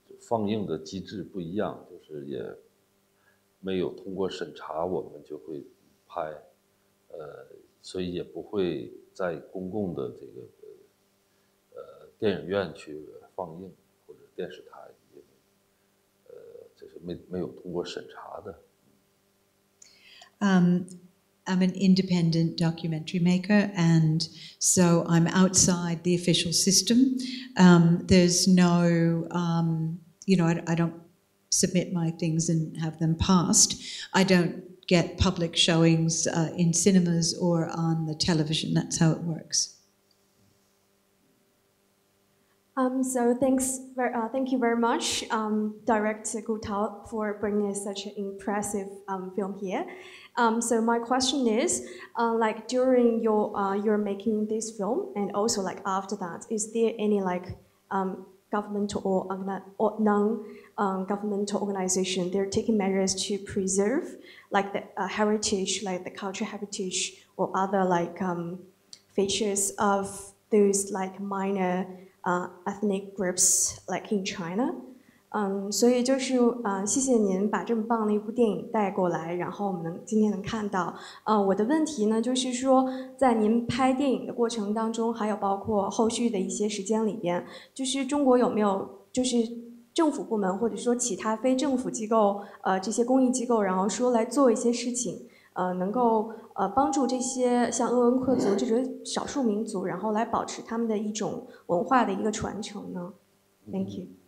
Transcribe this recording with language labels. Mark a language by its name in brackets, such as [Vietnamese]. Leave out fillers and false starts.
[Chinese] 放映的机制不一样，就是也没有通过审查，我们就会拍，所以也不会在公共的这个电影院去放映或者电视台，也这是没有通过审查的。 [English] I'm an independent documentary maker, and so I'm outside the official system. There's no you know, I don't submit my things and have them passed. I don't get public showings in cinemas or on the television. That's how it works. So thanks, thank you very much, Director Gutau, for bringing such an impressive film here. So my question is, like during your making this film, and also like after that, is there any like governmental or non-governmental organization, they're taking measures to preserve like the heritage, like the cultural heritage or other like features of those like minor ethnic groups like in China. [Chinese] 所以就是谢谢您把这么棒的一部电影带过来，然后我们今天能看到。我的问题呢，就是说在您拍电影的过程当中，还有包括后续的一些时间里边，就是中国有没有就是政府部门或者说其他非政府机构，这些公益机构，然后说来做一些事情，能够帮助这些像鄂温克族这种少数民族，然后来保持他们的一种文化的一个传承呢 ？ [English] Thank you。